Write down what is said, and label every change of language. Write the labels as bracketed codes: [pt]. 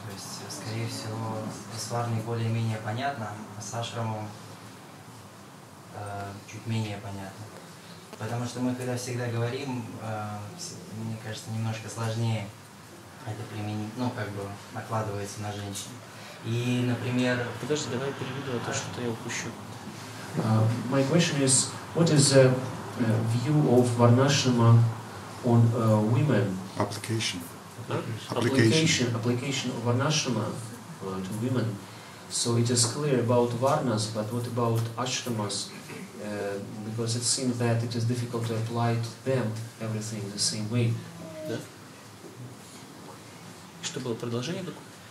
[ru] То есть, скорее всего, с варной более-менее понятно, а с ашрамом чуть менее понятно. Потому что мы когда всегда говорим, мне кажется, немножко сложнее это применить, накладывается на женщин. И, например... Подожди, давай переведу то, что я упущу. [en] My question is, what is the view of Varnashrama on women? Application. Application of Varnashrama to women. So it is clear about Varnas, but what about Ashramas? Because it seems that it is difficult to apply to them everything the same way. [ru] Да? И что было продолжение такое?